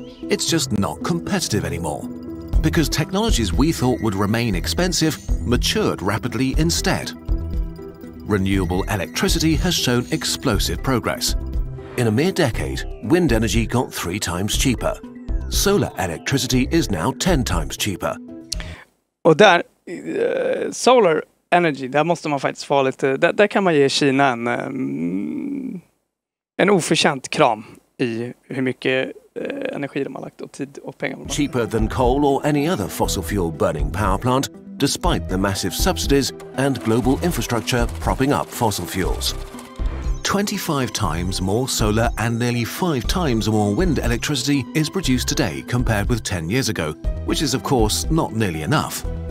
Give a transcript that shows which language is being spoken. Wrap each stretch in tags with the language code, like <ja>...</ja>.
<en>It's just not competitive anymore, because technologies we thought would remain expensive matured rapidly instead. Renewable electricity has shown explosive progress. In a mere decade, wind energy got 3 times cheaper. Solar electricity is now 10 times cheaper.</en> <sv>Och där, solar energy, där måste man faktiskt få lite, där kan man ge Kina en oförtjänt kram i hur mycket energi de har lagt och tid och pengar.</sv> <en>Cheaper than coal or any other fossil fuel burning power plant, despite the massive subsidies and global infrastructure propping up fossil fuels. 25 times more solar and nearly 5 times more wind electricity is produced today compared with 10 years ago, which is of course not nearly enough.</en>